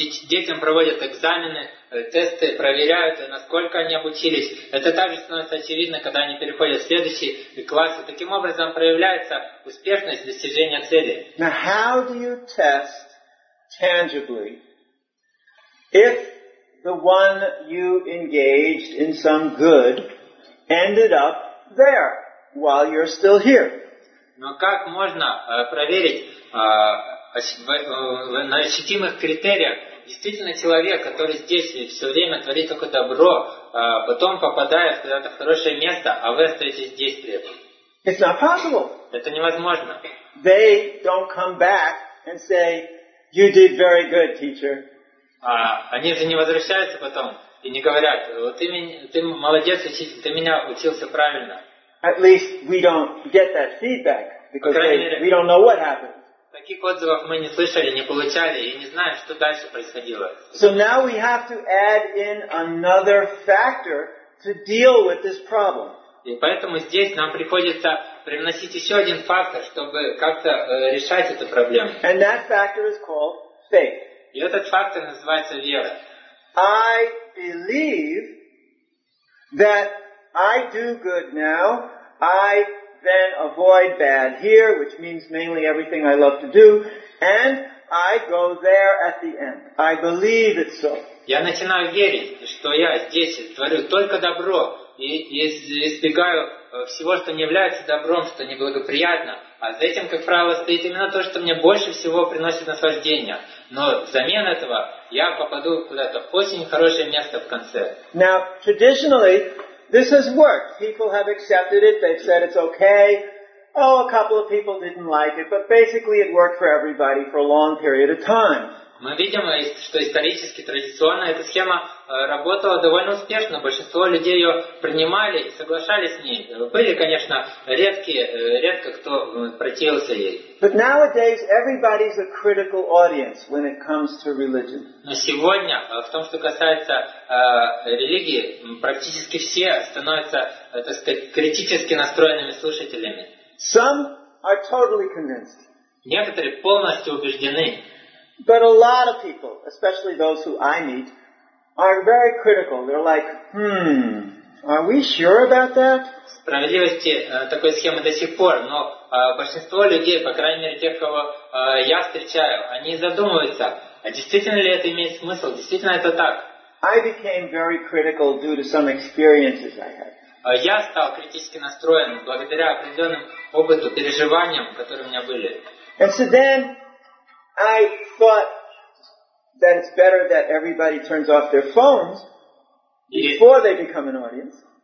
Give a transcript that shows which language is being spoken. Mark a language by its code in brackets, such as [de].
[ru] Детям проводят экзамены, тесты, проверяют, насколько они обучились. Это также становится очевидно, когда они переходят в следующий класс. Таким образом проявляется успешность достижения цели. [en] Now, how do you test tangibly if the one you engaged in some good ended up there while you're still here? [ru] Но как можно проверить на ощутимых критериях действительно человек, который здесь все время творит только добро, потом попадает куда-то в хорошее место, а вы остаетесь здесь при этом? [en] It's not possible. [ru] Это невозможно. [en] They don't come back and say, "You did very good, teacher." [ru] Они же не возвращаются потом и не говорят: "Вот ты молодец, учитель, ты меня учился правильно." [en] At least we don't get that feedback because we don't know what happened. [ru] Таких отзывов мы не слышали, не получали и не знаем, что дальше происходило. [en] So now we have to add in another factor to deal with this problem. [ru] И поэтому здесь нам приходится привносить еще один фактор, чтобы как-то решать эту проблему. [en] And that factor is called faith. [ru] И этот фактор называется вера. [en] I believe that I do good now, I then avoid bad here, which means mainly everything I love to do, and I go there at the end. I believe it's so. [ru] Я начинаю верить, что я здесь творю только добро и избегаю всего, что не является добром, что неблагоприятно. А за этим, как правило, стоит именно то, что мне больше всего приносит наслаждение. Но взамен этого я попаду куда-то в очень хорошее место в конце. [en] Now, traditionally, this has worked. People have accepted it. They've said it's okay. Oh, a couple of people didn't like it, but basically it worked for everybody for a long period of time. [ru] Мы видим, что исторически, традиционно эта схема работала довольно успешно. Большинство людей ее принимали и соглашались с ней. Были, конечно, редко кто противился ей. [en] But nowadays everybody's a critical audience when it comes to religion. [ru] Но сегодня, в том, что касается религии, практически все становятся, так сказать, критически настроенными слушателями. [en] Some are totally convinced. [ru] Некоторые полностью убеждены. [en] But a lot of people, especially those who I meet, are very critical. They're like, are we sure about that? [ru] Справедливости такой схемы до сих пор, но большинство людей, по крайней мере тех, кого я встречаю, они задумываются, а действительно ли это имеет смысл, действительно это так? [en] I became very critical due to some experiences I had. [ru] Я стал критически настроен благодаря определенным опыту, переживаниям, которые у меня были. [en] And so then, I thought that it's better that everybody turns off their phones before they become an audience.